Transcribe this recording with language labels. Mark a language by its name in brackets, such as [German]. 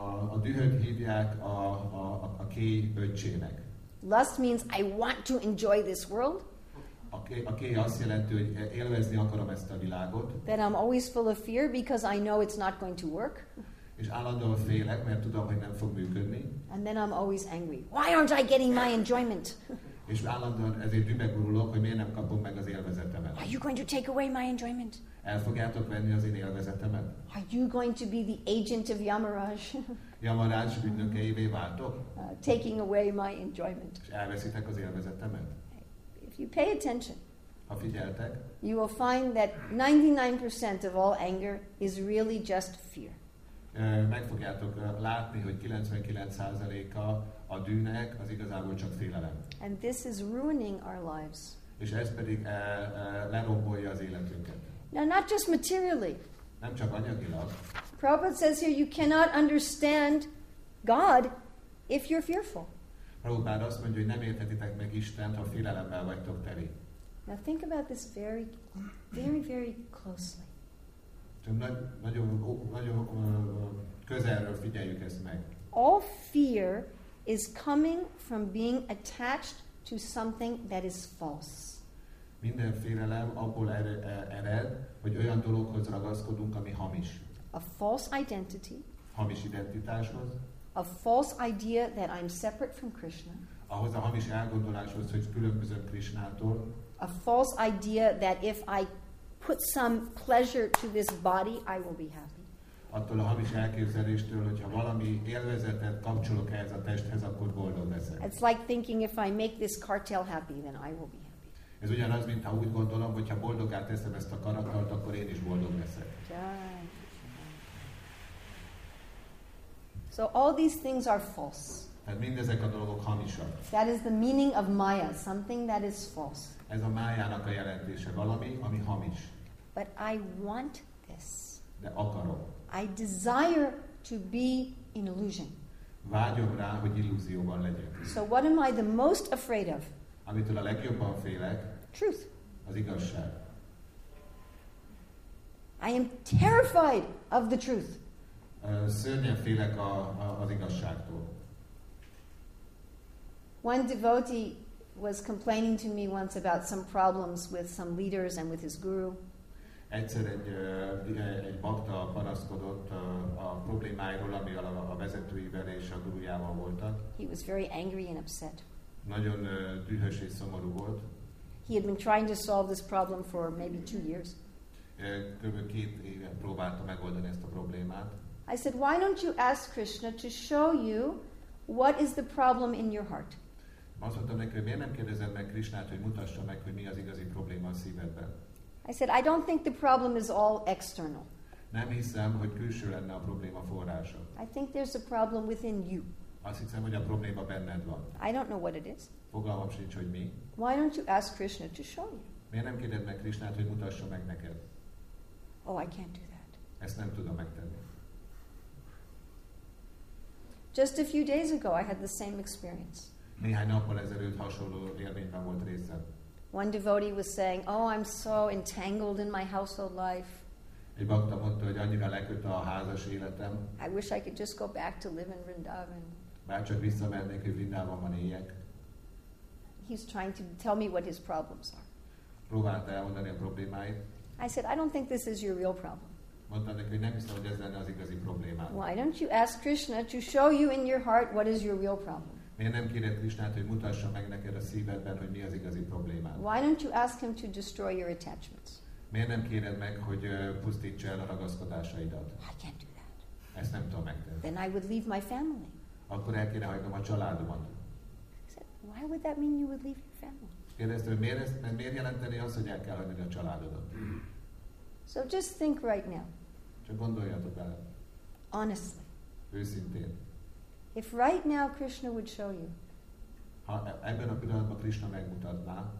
[Hungarian] A dühöt hívják a kéj öccsének. [English] Lust means I want to enjoy this world. [Hungarian] A kéj azt jelenti, hogy élvezni akarom ezt a világot. [English] That I'm always full of fear because I know it's not going to work. [Hungarian] És állandóan félek, mert tudom, hogy nem fog működni. [English] And then I'm always angry. Why aren't I getting my enjoyment? [Hungarian] És állandóan ezért dühbegurulok, hogy miért nem kapom meg az élvezetemet. [English] Are you going to take away my enjoyment? [Hungarian] El fogjátok venni az én élvezetemet? [English] Are you going to be the agent of Yamaraj? [Hungarian] Yamaraj ügynökeivé váltok? [English] Taking away my enjoyment. [Hungarian] És elveszitek az élvezetemet? [English] If you pay attention, [Hungarian] ha figyeltek, [English] you will find that 99% of all anger is really just fear. [Hungarian] Meg fogjátok látni, hogy 99%-a a dűnek az igazából csak félelem. [English] And this is ruining our lives. [Hungarian] És ez pedig lerombolja az életünket. [English] Now, not just materially. [Hungarian] Nem csak anyagilag. [English] Prabhupada says here, you cannot understand God if you're fearful. [Hungarian] Prabhupada azt mondja, hogy nem érthetitek meg Istent, ha félelemmel vagytok teli. [English] Now think about this very, very, very closely. [Hungarian] Nagyon közelről figyeljük ezt meg. [English] All fear is coming from being attached to something that is false. [Hungarian] Minden félelem abból ered, hogy olyan dologhoz ragaszkodunk, ami hamis. [English] A false identity. [Hungarian] Hamis identitáshoz. [English] A false idea that I'm separate from Krishna. [Hungarian] Ahhoz a hamis elgondoláshoz, hogy különbözök Krishnától. [English] A false idea that if I put some pleasure to this body, I will be happy. [Hungarian] Attól a hamis elképzeléstől, hogyha valami élvezetet kapcsolok ehhez a testhez, akkor boldog leszek. [English] It's like thinking if I make this cartel happy, then I will be happy. [Hungarian] Ez ugyanaz, mint ha úgy gondolom, hogyha boldoggá teszem ezt a karaktert, akkor én is boldog leszek. [English] So all these things are false. [Hungarian] Tehát mindezek a dolgok hamisak. [English] That is the meaning of Maya, something that is false. [Hungarian] Ez a Mayának a jelentése, valami, ami hamis. [English] But I want this. [Hungarian] De akarom. [English] I desire to be in illusion. [Hungarian] Vágyom rá, hogy illúzióban legyek. [English] So what am I the most afraid of? [Hungarian] Amitől a legjobban félek. [English] Truth. [Hungarian] Az igazság. [English] I am terrified of the truth. [Hungarian] Szörnyen félek az igazságtól. [English] One devotee was complaining to me once about some problems with some leaders and with his guru. [Hungarian] Egyszer egy bakta panaszkodott a problémáiról, ami a vezetőivel és a gurujával voltak. [English] He was very angry and upset. [Hungarian] Nagyon dühös és szomorú volt. [English] He had been trying to solve this problem for maybe 2 years. [Hungarian] Kb. 2 éve próbálta megoldani ezt a problémát. [English] I said, why don't you ask Krishna to show you what is the problem in your heart? [Hungarian] Azt mondtam neki, hogy miért nem kérdezed meg Krishnát, hogy mutassa meg, hogy mi az igazi probléma a szívedben. [English] I said, I don't think the problem is all external. [Hungarian] Nem hiszem, hogy külső lenne a probléma forrása. [English] I think there's a problem within you. [Hungarian] Azt hiszem, hogy a probléma benned van. [English] I don't know what it is. [Hungarian] Fogalmam sincs, hogy mi. [English] Why don't you ask Krishna to show you? [Hungarian] Miért nem kérdezed meg Krishnát, hogy mutassa meg neked? [English] Oh, I can't do that. [Hungarian] Ezt nem tudom megtenni. [English] Just a few days ago, I had the same experience. [Hungarian] Néhány napon ezelőtt hasonló élményben volt részem. [English] One devotee was saying, oh, I'm so entangled in my household life. [Hungarian] Egy bakta mondta, hogy annyira leköt a házas életem. [English] I wish I could just go back to live in Vrindavan. [Hungarian] Bár csak visszamernék, hogy Vrindavanban éljek. [English] He's trying to tell me what his problems are. [Hungarian] Próbálta elmondani a problémáit. [English] I said, I don't think this is your real problem. [Hungarian] Mondtam neki, hogy nem hiszem, hogy ez lenne az igazi problémám. [English] Why don't you ask Krishna to show you in your heart what is your real problem? [Hungarian] Miért nem kéred Krishnát, hogy mutassa meg neked a szívedben, hogy mi az igazi problémád? [English] Why don't you ask him to destroy your attachments? [Hungarian] Miért nem kéred meg, hogy pusztítsa el a ragaszkodásaidat? [English] I can't do that. [Hungarian] Ezt nem tudom megtenni. [English] Then I would leave my family. [Hungarian] Akkor el kéne hagynom a családomat. [English] Why would that mean you would leave your family? [Hungarian] Kérdezte, hogy miért jelenteni azt, hogy el kell hagynod a családodat? [English] So just think right now. [Hungarian] Csak gondoljatok bele. [English] Honestly. [Hungarian] Őszintén. [English] If right now Krishna would show you, [Hungarian] ha ebben a pillanatban Krishna megmutatná